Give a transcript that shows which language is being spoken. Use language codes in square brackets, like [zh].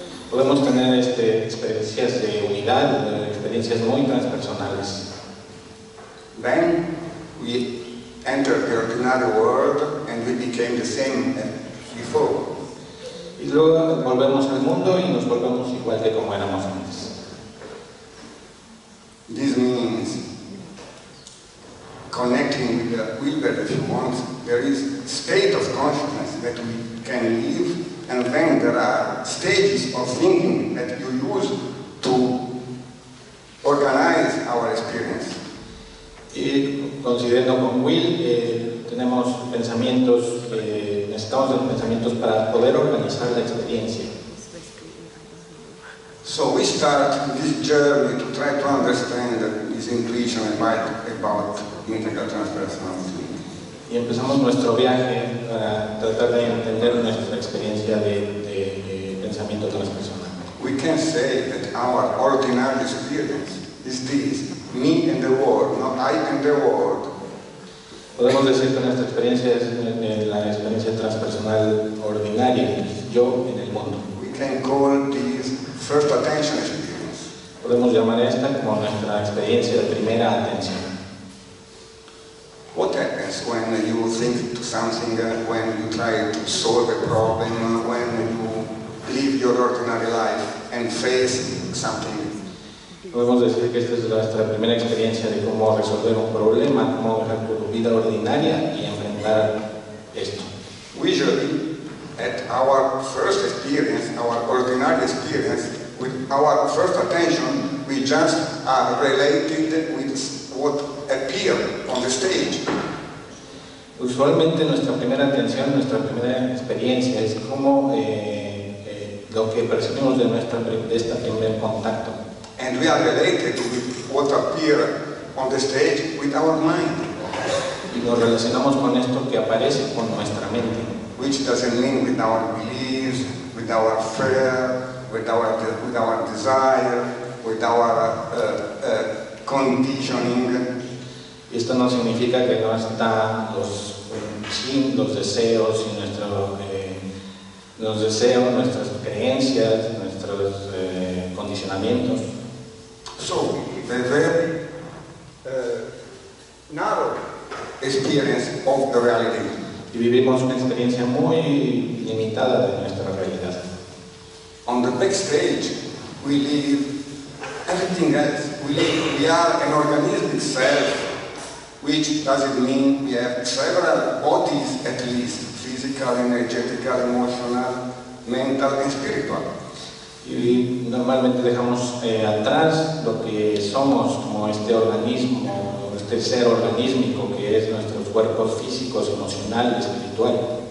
[es] Podemos tener experiencias de unidad, experiencias muy transpersonales. [en] Then we entered the ordinary world and we became the same as before. [es] Y luego volvemos al mundo y nos volvemos igual que como éramos antes. [en] This means connecting with the Wilbur, if you want, there is state of consciousness that we can live, and then there are stages of thinking that you use to organize our experience. [es] Y considerando con Will, tenemos pensamientos, necesitamos de los pensamientos para poder organizar la experiencia. [en] So we start this journey to try to understand this intuition about integral transpersonal thinking. [es] Y empezamos nuestro viaje a tratar de entender nuestra experiencia de pensamiento transpersonal. [en] We can say that our ordinary experience is this: me and the world, not I and the world. [es] Podemos decir que nuestra experiencia es la experiencia transpersonal ordinaria, yo en el mundo. [en] We can call this first attention experience. [es] Podemos llamar esta como nuestra experiencia de primera atención. [en] What happens when you think to something, when you try to solve a problem, when you live your ordinary life and face something? [es] Podemos decir que esta es nuestra primera experiencia de cómo resolver un problema, cómo dejar tu vida ordinaria y enfrentar esto. [en] Usually, at our first experience, our ordinary experience, with our first attention, we just are related with what appear on the stage. [es] Usualmente nuestra primera atención, nuestra primera experiencia es como lo que percibimos de nuestra este primer contacto. [en] And we are related with what appear on the stage with our mind. [es] Y nos relacionamos con esto que aparece con nuestra mente. [en] Which doesn't mean with our beliefs, with our fear, with our desire, with our conditioning. [es] Esto no significa que no está los sin los deseos y nuestro los deseos, nuestras creencias, nuestros condicionamientos. [en] So the very narrow experience of the reality. [es] Y vivimos una experiencia muy limitada de nuestra realidad. [en] On the backstage, we live everything else. We are an organismic self, which doesn't mean we have several bodies at least, physical, energetic, emotional, mental and spiritual. [es] Y normalmente dejamos atrás lo que somos como este organismo, este ser organismico que es nuestros cuerpos físicos, emocional y espiritual.